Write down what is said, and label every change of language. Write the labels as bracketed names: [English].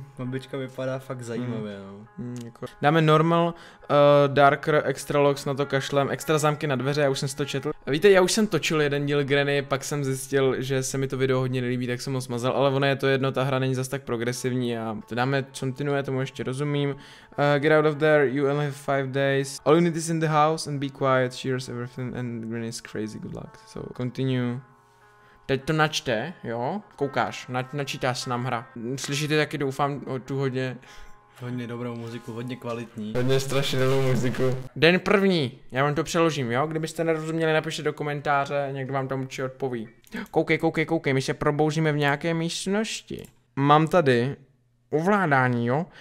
[Czech] Babička vypadá fakt zajímavě, no. Dáme [English] normal, darker, extra locks, [Czech] na to kašlem, extra zámky na dveře, já už jsem si to četl. Víte, já už jsem točil jeden díl Granny, pak jsem zjistil, že se mi to video hodně nelíbí, tak jsem ho smazal, ale ono je to jedno, ta hra není zas tak progresivní a to dáme continue, tomu ještě rozumím. [English] Get out of there, you only have 5 days. All you need is in the house and be quiet, cheers everything and Granny is crazy, good luck. So continue. [Czech] Teď to načte, jo? Koukáš, načítá se nám hra. Slyšíte taky, doufám, tu hodně... Hodně dobrou muziku, hodně kvalitní. Hodně strašně dobrou muziku. Den první, já vám to přeložím, jo? Kdybyste nerozuměli, napište do komentáře, někdo vám tam určitě odpoví. Koukej, my se probouzíme v nějaké místnosti. Mám tady ovládání, jo?